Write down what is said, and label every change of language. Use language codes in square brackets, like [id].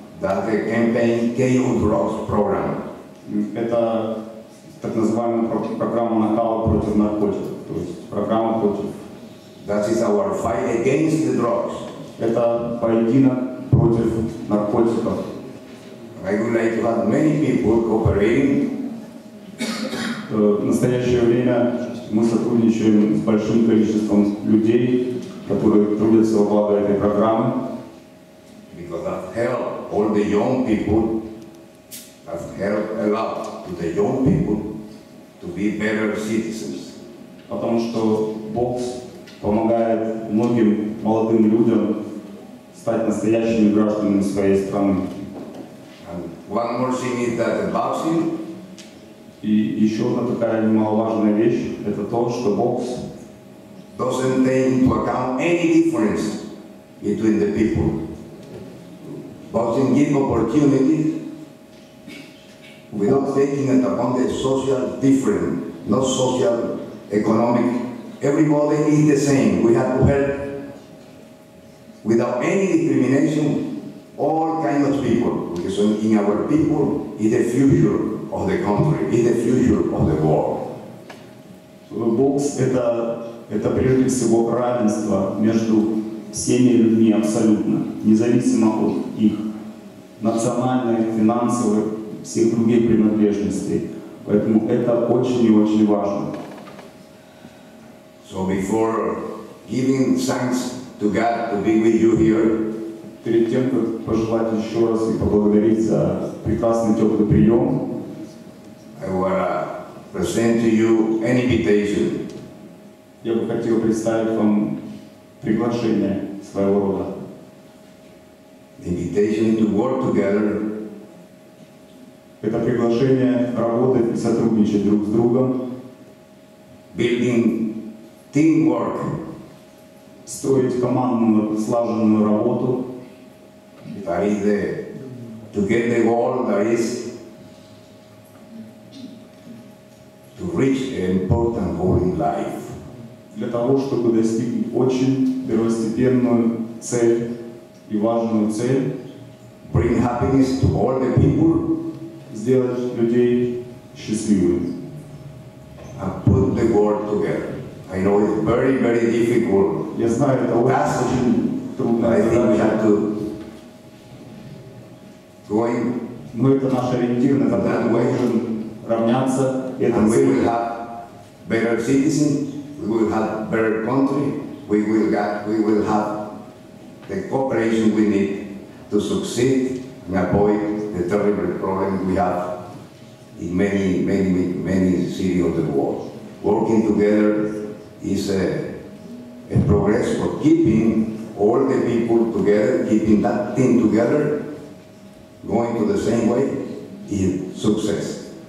[en] That's a campaign KO Drugs program. [ru] Это так называемая программа нокаут против наркотиков. То есть программа против. [en] That is our fight against the drugs. [ru] Это поединок против наркотиков. [en] I would like to have many people cooperating. [ru] В настоящее время мы сотрудничаем с большим количеством людей, которые трудятся во благо этой программы. [en] Because that helps all the young people, that helps a lot to the young people to be better citizens. [ru] Потому что бокс помогает многим молодым людям стать настоящими гражданами своей страны. [en] And one more thing is that boxing. [ru] И еще одна такая немаловажная вещь, это то, что бокс [en] doesn't take into account any difference between the people. Boxing gives opportunities without taking it upon the social different, not social, economic. Everybody is the same. We have to help without any discrimination all kinds of people, because in our people is the future of the country, is the future of the world. [ru] Бокс – это прежде всего равенство между всеми людьми абсолютно, независимо от их национальной, финансовой, всех других принадлежностей. Поэтому это очень и очень важно. [en] So before giving thanks to God to be with you here, [ru] перед тем, как пожелать еще раз и поблагодарить за прекрасный теплый прием, [en] I wanna present to you an invitation. [ru] Я бы хотел представить вам приглашение своего рода. [en] Invitation to work together. [ru] Это приглашение работать и сотрудничать друг с другом. [en] Building teamwork. [ru] Строить командную, слаженную работу. [en] That is the, to get the goal, that is to reach an important goal in life. [ru] Для того, чтобы достигнуть очень первостепенную цель и важную цель, [en] bring happiness to all the people, [ru] сделать людей счастливыми. [en] And put the world together. I know it's very, very difficult. [ru] Я знаю, это очень трудная задача. [en] I think we have to going. [ru] Мы это наш ориентир, на который мы должны равняться этому. [en] And we will have better citizens. We will have better country. We will have the cooperation we need to succeed and avoid the terrible problem we have in many, many, many, many cities of the world. Working together is a progress for keeping all the people together, keeping that team together, going to the same way is success.